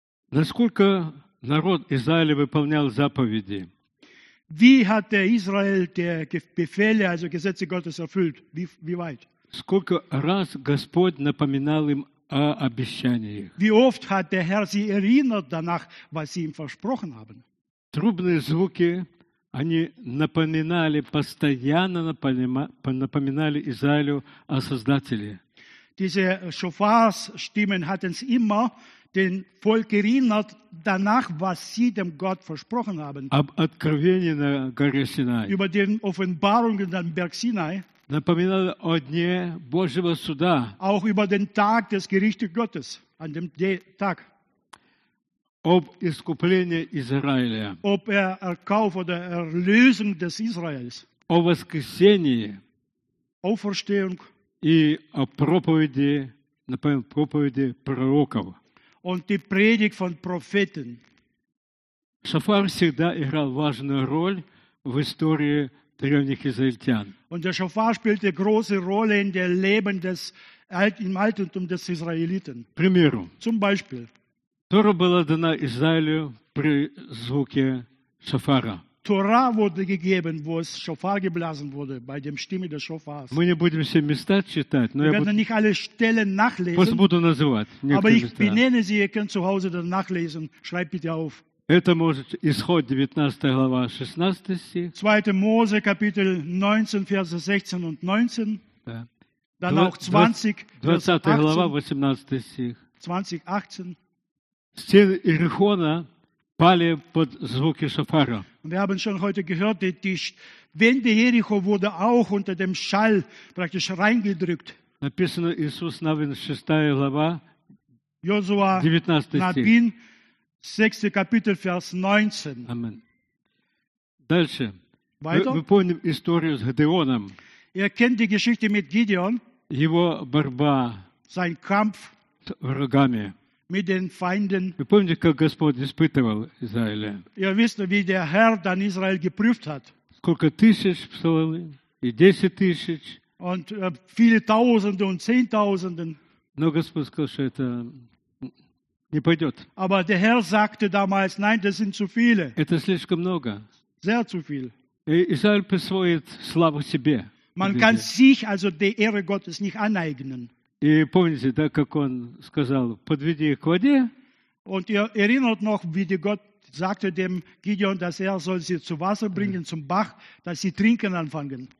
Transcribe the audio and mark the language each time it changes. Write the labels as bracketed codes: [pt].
[ru] насколько народ Израиля выполнял заповеди? [de] Wie hat der Israel die Befehle, also Gesetze Gottes erfüllt? Wie weit? [ru] Сколько раз Господь напоминал им о обещаниях? [de] Wie oft hat der Herr sie erinnert danach, was sie ihm versprochen haben? [ru] Трубные звуки, они напоминали, постоянно напоминали Израилю о Создателе. [de] Diese Schofarstimmen hatten es immer den Volk erinnert danach, was sie dem Gott versprochen haben. [ru] Об откровении на горе Синай. [de] Über den Offenbarungen am Berg Sinai. [ru] Напоминали о дне Божьего суда. [de] Auch über den Tag des Gerichtes Gottes, an dem Tag. [ru] Об искуплении Израиля. [de] Ob Erkauf oder Erlösung des Israels. [ru] О воскресении. [de] Auferstehung. [ru] И о проповеди, например, проповеди пророков. [de] Und die Predigt von Propheten. [ru] Шофар всегда играл важную роль в истории древних израильтян. [de] Und der Schofar spielte große Rolle in der Leben des im Altentum des Israeliten. [ru] Примеру. [de] Zum Beispiel. [ru] Тора была дана Израилю при звуке шофара. [de] Тора wurde gegeben, wo es Schofar geblasen wurde, bei dem Stimme des Schofars. [ru] Мы не будем все места читать, но [de] wir werden nicht alle Stellen nachlesen, [ru] буду называть, [de] aber ich benenne sie, ihr könnt zu Hause dann nachlesen, schreibt bitte auf. [ru] Это может Исход, 19 глава, 16 стих. [de] 2. Mose, Kapitel 19, Verse 16 und 19. [ru] Да. [de] Dann auch 20, [ru] 20 глава, 18 стих. [de] 20, 18. [ru] Стены Иерихона пали под звуки шофара. [de] Wir haben schon heute gehört, die Wände Jericho wurde auch unter dem Schall praktisch reingedrückt. [ru] Написано Иисус Навин, 6 глава, 19 стих. [de] 6. Kapitel, Vers 19. [ru] Amen. Дальше. [de] Weiter? [ru] Мы помним историю с Гедеоном. [de] Ihr kennt die Geschichte mit Gideon. [ru] Его борьба. [de] Sein Kampf. [ru] С врагами. [de] Mit den Feinden. [ru] Вы помните, как Господь испытывал Израиля? [de] Ihr wisst, wie der Herr dann Israel geprüft hat. [ru] Сколько тысяч псалмы и 10 тысяч. [de] Und viele Tausende und Zehntausenden. [ru] Но Господь сказал, что это не пойдет. [de] Aber der Herr sagte damals, nein, das sind zu viele. [ru] Это слишком много. [de] Sehr zu viel. [ru] И Израиль присвоит славу себе. [de] Man kann sich also die Ehre Gottes nicht aneignen. [ru] И помните, да, как он сказал, подведи их к воде. [de] Und ihr erinnert noch, wie Gott sagte dem Gideon, dass soll sie zu Wasser bringen, zum Bach, dass sie trinken anfangen.